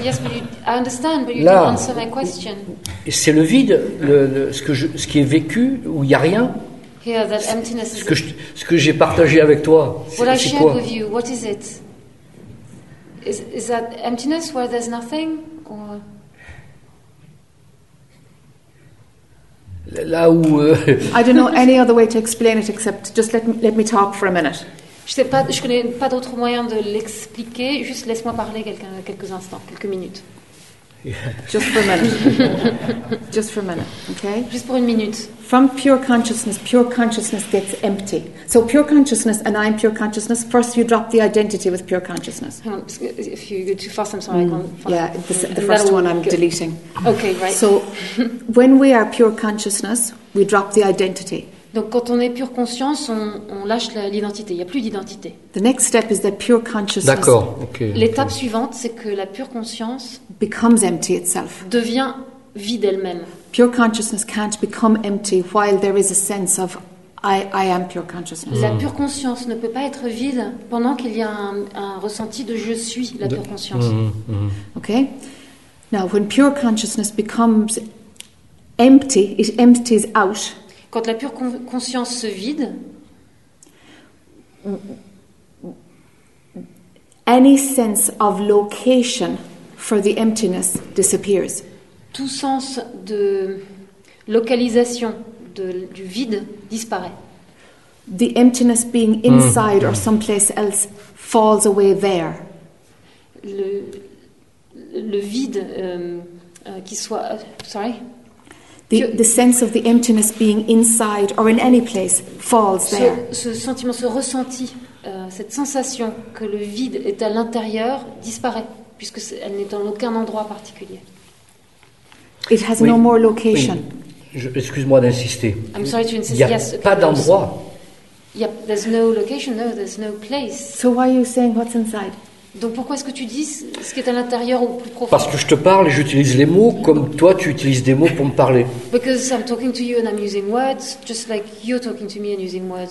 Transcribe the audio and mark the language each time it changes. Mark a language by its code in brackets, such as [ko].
[en] Yes, but I understand, but you didn't answer my question. [fr] C'est le vide, ce qui est vécu où il y a rien. [en] Here, that emptiness. [fr] Ce que j'ai partagé avec toi, c'est quoi? [en] What I shared with you, what is it? Is that emptiness where there's nothing, or? [fr] Là où [en] I don't know any other way to explain it except just let me talk for a minute. [fr] Je connais pas d'autre moyen de l'expliquer. Juste laisse-moi parler quelques instants, quelques minutes. [en] Yeah. Just for a minute. Just for a minute. Okay. [fr] Juste pour une minute. [en] From pure consciousness gets empty. So pure consciousness and I am pure consciousness. First, you drop the identity with pure consciousness. Hang on, if you go too fast, I'm sorry. The first one I'm deleting. Okay, right. So when we are pure consciousness, we drop the identity. [fr] Donc quand on est pure conscience, on lâche l'identité. Il n'y a plus d'identité. [en] The next step is that pure consciousness. [fr] D'accord. Okay. L'étape suivante, c'est que la pure conscience [en] becomes empty itself. [fr] Devient vide elle-même. [en] Pure consciousness can't become empty while there is a sense of I am pure consciousness. [fr] Mm. La pure conscience ne peut pas être vide pendant qu'il y a un ressenti de je suis la pure conscience. Mm. [en] Mm. Okay. Now, when pure consciousness becomes empty, it empties out. [fr] Quand la pure conscience se vide, [en] any sense of location for the emptiness disappears. [fr] Tout sens de localisation du vide disparaît. [en] The emptiness being inside or someplace else falls away there. [fr] Le vide qui soit [en] sorry. The sense of the emptiness being inside or in any place falls there. [fr] Ce sentiment, ce ressenti, cette sensation que le vide est à l'intérieur disparaît, puisque elle n'est dans aucun endroit particulier. [en] It has no more location. [fr] Excuse-moi d'insister. [en] I'm sorry to insist. [fr] Il n'y a pas d'endroit. [en] Yep, there's no location, no, there's no place. So why are you saying what's inside? [fr] Donc pourquoi est-ce que tu dis ce qui est à l'intérieur ou plus profond? Parce que je te parle et j'utilise les mots comme toi tu utilises des mots pour me parler. [en] Because I'm talking to you and I'm using words, just like you're talking to me and using words.